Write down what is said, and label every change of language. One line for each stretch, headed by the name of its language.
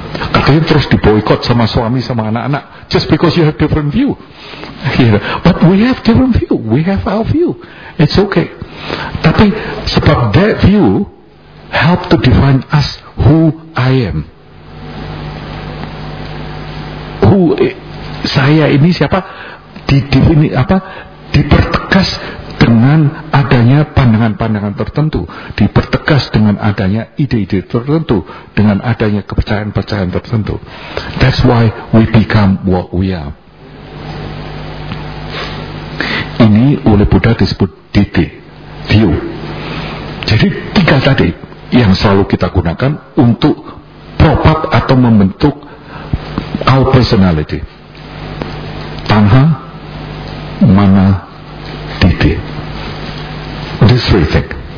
Indonesian: Katanya terus diboikot sama suami sama anak-anak,
English: just because you have different view. But we have different view, we have our view, it's okay.
Indonesian: Tapi sebab
English: that view help to define us who I am. Who
Indonesian: saya ini siapa? Dipertegas dengan adanya pandangan-pandangan tertentu, dipertegas dengan adanya ide-ide tertentu, dengan adanya kepercayaan-kepercayaan tertentu.
English: That's why we become what we are.
Indonesian: Ini oleh Buddha disebut Ditti, view. Jadi tiga tadi yang selalu kita gunakan untuk propak atau membentuk
English: our personality. Tanha, mana, Ditti. This three things.